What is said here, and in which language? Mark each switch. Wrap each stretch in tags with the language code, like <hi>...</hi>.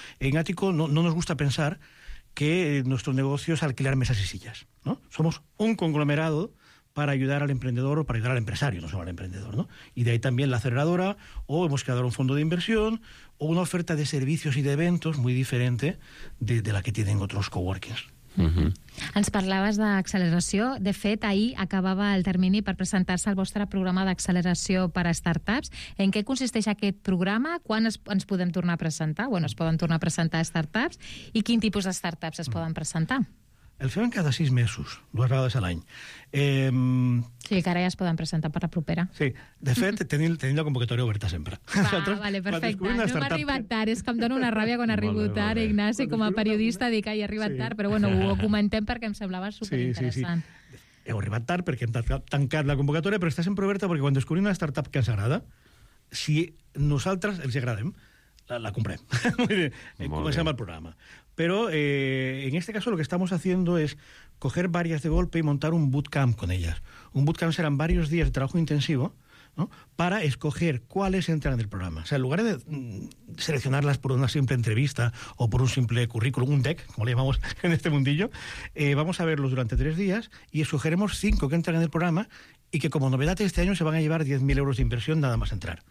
<es>En Atico no nos gusta pensar que nuestro negocio es alquilar mesas y sillas, ¿no? Somos un conglomerado para ayudar al emprendedor o para ayudar al empresario, no solo al emprendedor, ¿no? Y de ahí también la aceleradora, o hemos creado un fondo de inversión, o una oferta de servicios y de eventos muy diferente de la que tienen otros coworkings.</es> <ca>Ens parlaves d'acceleració. De fet, ahir acabava el termini per presentar-se al vostre programa d'acceleració per a startups. En què consisteix aquest programa? Quan ens podem tornar a presentar? Bueno, es poden tornar a presentar startups. I quin tipus de startups es poden presentar? El fem cada 6 mesos, 2 vegades a l'any. Sí, que ara ja es poden presentar per la propera. Sí, de fet, tenim la convocatòria oberta sempre. Perfecte. No m'ha arribat tard, és que em dona una ràbia quan arribo tard, Ignasi, com a periodista, dic que hi ha arribat tard, però bueno, ho comentem perquè em semblava superinteressant. Sí. Heu arribat tard perquè hem tancat la convocatòria, però està sempre oberta perquè quan descobrim una startup que ens agrada, si nosaltres els agradem, la comprem. Comencem el programa.</ca> <es>Pero en este caso lo que estamos haciendo es coger varias de golpe y montar un bootcamp con ellas. Un bootcamp serán varios días de trabajo intensivo, ¿no? Para escoger cuáles entran en el programa. O sea, en lugar de seleccionarlas por una simple entrevista o por un simple currículum, un deck, como le llamamos en este mundillo, vamos a verlos durante 3 días y escogeremos 5 que entran en el programa y que como novedad este año se van a llevar 10.000 euros de inversión nada más entrar.</es>